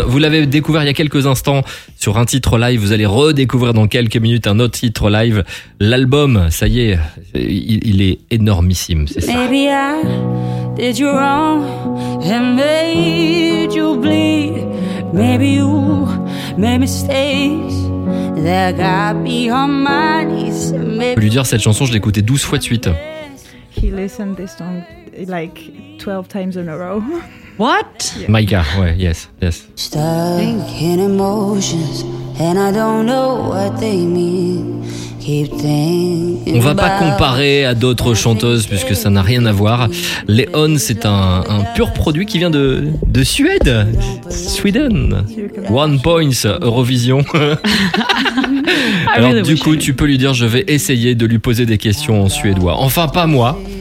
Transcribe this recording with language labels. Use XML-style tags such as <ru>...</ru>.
<fr>Vous l'avez découvert il y a quelques instants sur un titre live. Vous allez redécouvrir dans quelques minutes un autre titre live. L'album, ça y est, il est énormissime, c'est ça.</fr> <en>Maybe I did you wrong and made you bleed. Maybe you made mistakes.</en> <fr>Je peux lui dire cette chanson, je l'ai écoutée 12 fois de suite.</fr> <en>He listened this song like 12 times in a row. What? Yeah. My God, ouais, yes. Stuck in emotions and I don't know what they mean.</en> <fr>On va pas comparer à d'autres chanteuses puisque ça n'a rien à voir. Léon, c'est un pur produit qui vient de Suède. Sweden.</fr> <en>One points,</en> <fr>Eurovision. Alors du coup, tu peux lui dire, je vais essayer de lui poser des questions en suédois. Enfin, pas moi.</fr>